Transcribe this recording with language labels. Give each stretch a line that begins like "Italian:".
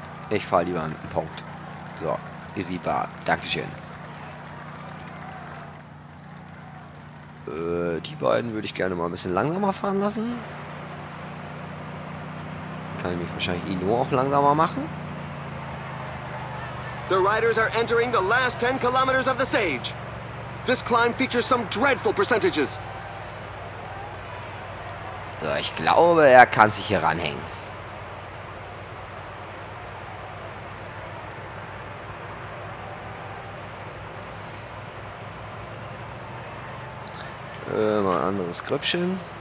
German: Ich fahre lieber einen Punkt. So, Iribar, Dankeschön. Die beiden würde ich gerne mal ein bisschen langsamer fahren lassen. Kann ich mich wahrscheinlich Ino auch langsamer machen.
English: The riders are entering the last 10 kilometers of the stage. This climb features some dreadful percentages.
German: So, ich glaube, er kann sich hier ranhängen. Mal ein anderes Grüppchen.